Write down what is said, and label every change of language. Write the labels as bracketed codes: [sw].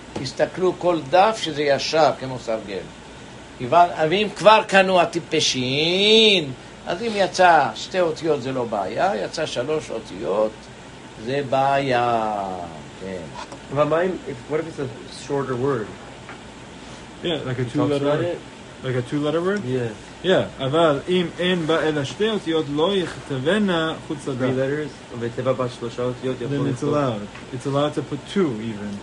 [he] תסתכלו כל דף שזה ישר, כמו סרגל. ואם כבר קנו הטיפשין, אז אם יצא שתי אותיות זה לא בעיה, יצא שלוש אותיות, זה בעיה, כן. אבל מה אם, [en] what if it's a shorter word? Like a two-letter word? Yeah. [he] אבל אם אין בה אלא שתי אותיות, לא יכתבנה חוץ לדף. [en] Three letters? [he] ותבע בה שלושה אותיות יכול לכתוב. [en] Then it's allowed. It's allowed to put two even.